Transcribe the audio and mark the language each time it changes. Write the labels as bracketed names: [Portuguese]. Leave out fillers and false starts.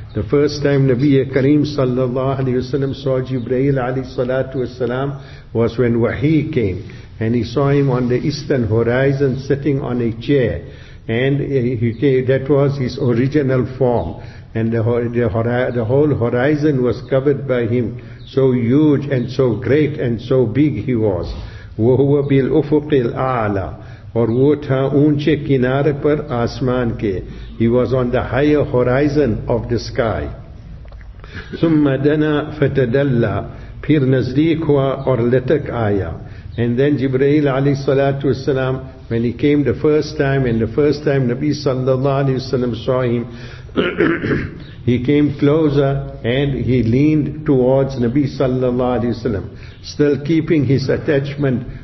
[English] The first time Nabiya Kareem sallallahu alayhi wa sallam saw Jibreel alayhi salatu wa sallam was when Wahi came, and he saw him on the eastern horizon sitting on a chair, and he came, that was his original form, and the whole horizon was covered by him, so huge and so great and so big he was. [Arabic] وَهُوَ بِالْأُفُقِ الْأَعْلَى [Urdu] اور وہ تھا اونچے کنارے پر آسمان کے. [English] He was on the higher horizon of the sky. [Arabic] ثُمَّ دَنَا فَتَدَلَّى [Urdu] پھر نزدیک ہوا اور لٹک آیا. [English] And then Jibreel alayhi salatu wasalam, when he came the first time, and the first time Nabi sallallahu alayhi wasalam saw him, he came closer and he leaned towards Nabi sallallahu alayhi wasalam, still keeping his attachment